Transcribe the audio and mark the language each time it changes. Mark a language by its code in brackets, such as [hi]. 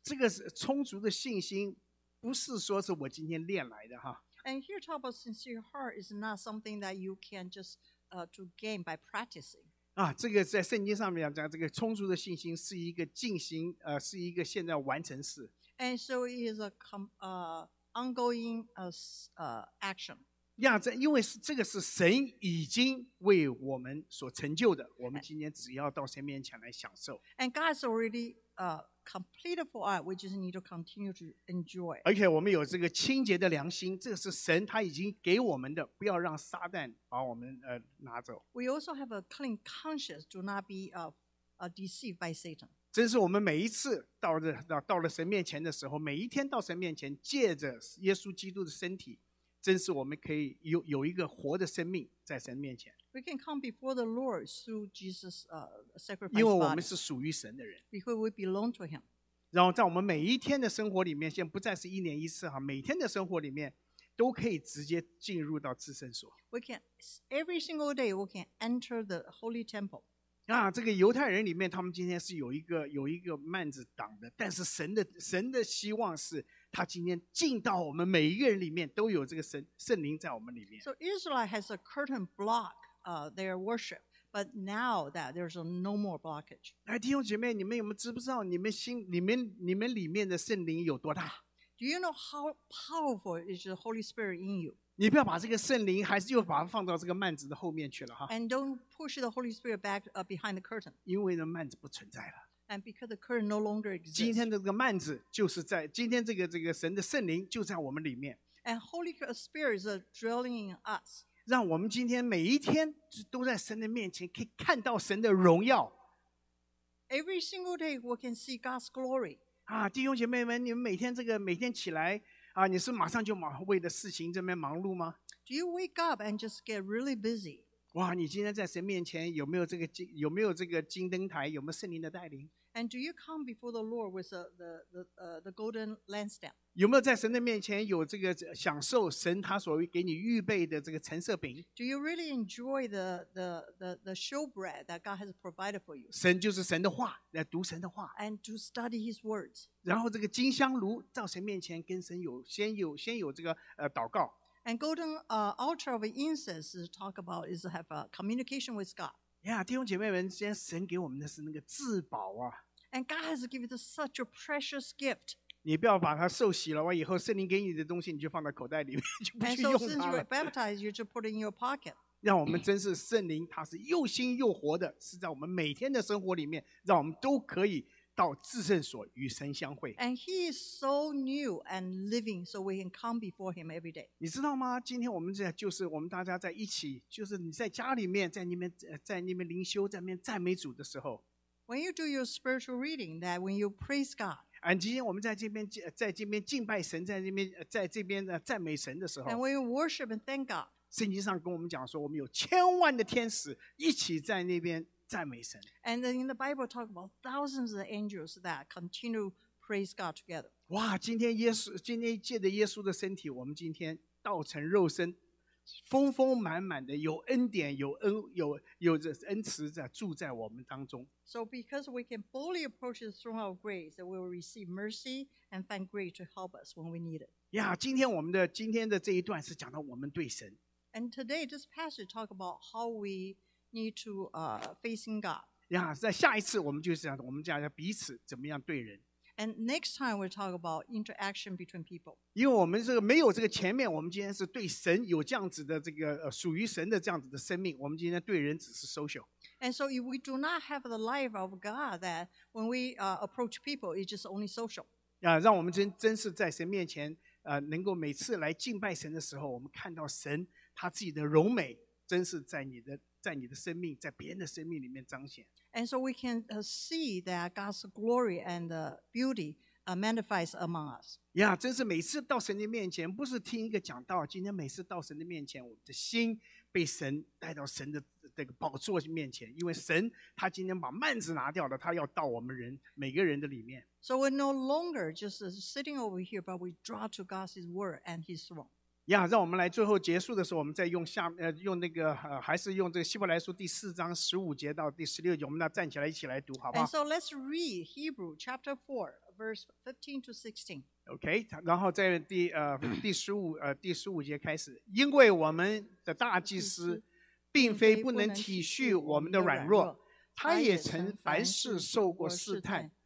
[zh] 这个充足的信心不是说是我今天练来的哈。 [en] And here talk about sincere heart is not something that you can just to gain by practicing. [zh] 啊，这个在圣经上面讲，这个充足的信心是一个进行，是一个现在完成式。 [en] And so it is a ongoing action. [zh] Yeah, 这因为这个是神已经为我们所成就的，我们今天只要到神面前来享受。 [en] And God's already completed for us, we just need to continue to enjoy. [zh] 而且我们有这个清洁的良心，这个是神他已经给我们的，不要让撒旦把我们拿走。 [en] We also have a clean conscience, do not be deceived by Satan. [zh] 真是我们每一次到了神面前的时候，每一天到神面前，借着耶稣基督的身体，真是我们可以 有一个活的生命在神面前。 [en] We can come before the Lord through Jesus sacrifice. [zh] 因为我们是属于神的人。 [en] Because we belong to Him. [zh] 然后在我们每一天的生活里面，现在不再是一年一次哈，每天的生活里面都可以直接进入到至圣所。 [en] We can every single day we can enter the holy temple. [zh] 啊，这个犹太人里面，他们今天是有一个幔子挡的，但是神的希望是，他今天进到我们每一个人里面，都有这个圣灵在我们里面。 [en] So Israel has a curtain block, their worship, but now that there's no more blockage. [zh] 哎，弟兄姐妹，你们有没有知不知道你们里面的圣灵有多大 [en] ？Do you know how powerful is the Holy Spirit in you? [zh] 你不要把这个圣灵还是又把它放到这个幔子的后面去了哈。 [en] And don't push the Holy Spirit back behind the curtain. [zh] 因为那幔子不存在了。 [en] And because the curtain no longer exists. [zh] 今天的这个幔子就是在今天这个神的圣灵就在我们里面。 [en] And Holy Spirit is dwelling in us. [zh] 让我们今天每一天都在神的面前可以看到神的荣耀。 [en] Every single day we can see God's glory. [zh] 啊，弟兄姐妹们，你们每天这个每天起来。啊，你是马上就为了事情这边忙碌吗 [en] ？Do you wake up and just get really busy？ [zh] 哇，你今天在神面前有没有这个金灯台？有没有圣灵的带领 [en] ？And do you come before the Lord with the golden lampstand？ [zh] 有没有在神的面前有这个享受神他所给你预备的这个陈设饼 [en] ？Do you really enjoy the showbread that God has provided for you？ [zh] 神就是神的话，来读神的话 [en] ，and to study His words。 [zh] 然后这个金香炉到神面前跟神有先有这个祷告。 [en] And golden altar of incense is talk about is have a communication with God。 [zh] 呀，弟兄姐妹们，今天神给我们的是那个至宝啊 [en] ！And God has given us such a precious gift。 [zh] 你不要把它受洗了，完以后圣灵给你的东西，你就放在口袋里面，就不去用它了。 [en] And so since you were baptized, you just put it in your pocket. [zh] 让我们真是圣灵，它是又新又活的，是在我们每天的生活里面，让我们都可以到至圣所与神相会。 [en] And He is so new and living, so we can come before Him every day. [zh] 你知道吗？今天我们这就是我们大家在一起，就是你在家里面，在那边灵修，在那边赞美主的时候。 [en] When you do your spiritual reading, that when you praise God. And [zh] 今天我们在这边敬拜神，在这边赞美神的时候 [en] ，And we worship and thank God. [zh] 圣经上跟我们讲说，我们有千万的天使一起在那边赞美神。 [en] And in the Bible, talk about thousands of angels that continue praise God together. [zh] 哇，今天借着耶稣的身体，我们今天道成肉身，丰丰满满的有恩典，有恩慈在住在我们当中。 [en] So because we can boldly approach the throne of grace, that we will receive mercy and find grace to help us when we need it. [zh] Yeah, 今天的这一段是讲到我们对神。 [en] And today, this passage talk about how we need to facing God. [zh] Yeah, 在下一次我们就是讲我们讲彼此怎么样对人。 [en] And next time we talk about interaction between people. [zh] 因为我们这个没有这个前面，我们今天是对神有这样子的这个属于神的这样子的生命，我们今天对人只是 social。 [en] And so if we do not have the life of God, that when we approach people, it's just only social. [zh] 啊，让我们真是在神面前，能够每次来敬拜神的时候，我们看到神他自己的荣美，真是在你的生命，在别人的生命里面彰显。 [en] And so we can see that God's glory and beauty manifest among us. [zh] Yeah, 真是每次到神的面前，不是听一个讲道，今天每次到神的面前，我们的心被神带到神的这个宝座面前，因为神他今天把幔子拿掉了，他要到我们人每个人的里面。 [en] So we're no longer just sitting over here, but we draw to God's word and His throne. [zh] Yeah, 让我们来最后结束的时候，我们再用下用那个还是用这个希伯来书第四章十五节到第十六节，我们那站起来一起来读，好不好 [en] ？And so let's read Hebrew chapter 4, verse 15 to 16. [zh] Okay, 然后在第十五节开始，因为我们的大祭司并非不能体恤我们的软弱，他也曾凡事受过试探。